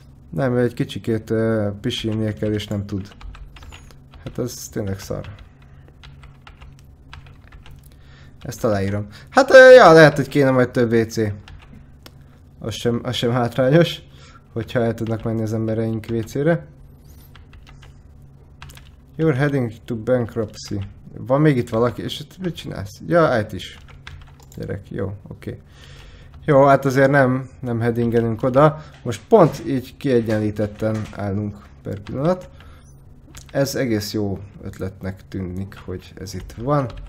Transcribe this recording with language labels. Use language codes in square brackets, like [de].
[hu] Nem, egy kicsikét pisilnie kell, és nem tud. Hát az tényleg szar. Ezt aláírom. Hát, ja, lehet, hogy kéne majd több WC. Az sem hátrányos, hogyha el tudnak menni az embereink WC-re. [en] You're heading to bankruptcy. [hu] Van még itt valaki, és mit csinálsz? Ja, állt is. Gyerek, jó, oké. Okay. Jó, hát azért nem headingelünk oda. Most pont így kiegyenlítetten állunk per pillanat. Ez egész jó ötletnek tűnik, hogy ez itt van.